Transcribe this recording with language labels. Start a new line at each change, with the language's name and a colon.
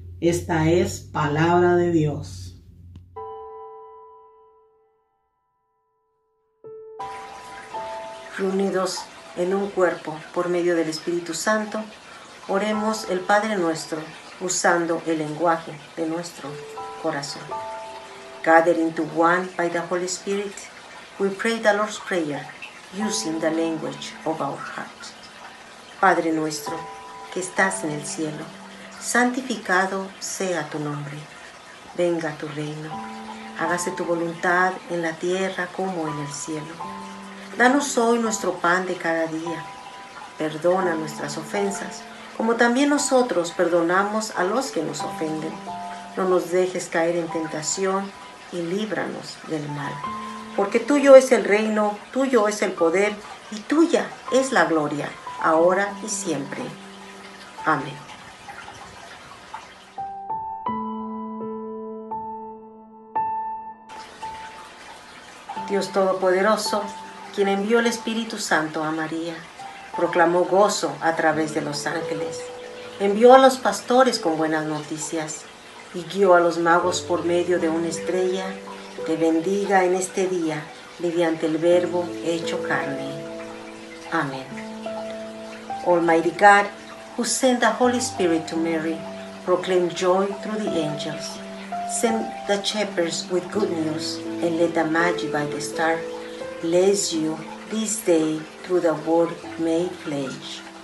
Spanish: Esta es palabra de Dios. Reunidos en un cuerpo por medio del Espíritu Santo, oremos el Padre nuestro usando el lenguaje de nuestro corazón.
English: Gathered into one by the Holy Spirit, we pray the Lord's Prayer using the language of our heart.
Spanish: Padre nuestro, que estás en el cielo, santificado sea tu nombre. Venga tu reino. Hágase tu voluntad en la tierra como en el cielo. Danos hoy nuestro pan de cada día. Perdona nuestras ofensas, como también nosotros perdonamos a los que nos ofenden. No nos dejes caer en tentación y líbranos del mal. Porque tuyo es el reino, tuyo es el poder y tuya es la gloria, ahora y siempre. Amén. Dios Todopoderoso, quien envió el Espíritu Santo a María, proclamó gozo a través de los ángeles, envió a los pastores con buenas noticias y guió a los magos por medio de una estrella, te bendiga en este día mediante el Verbo hecho carne. Amén.
English: Almighty God, who sent the Holy Spirit to Mary, proclaim joy through the angels. Send the shepherds with good news and let the Magi by the star bless you this day through the word made flesh.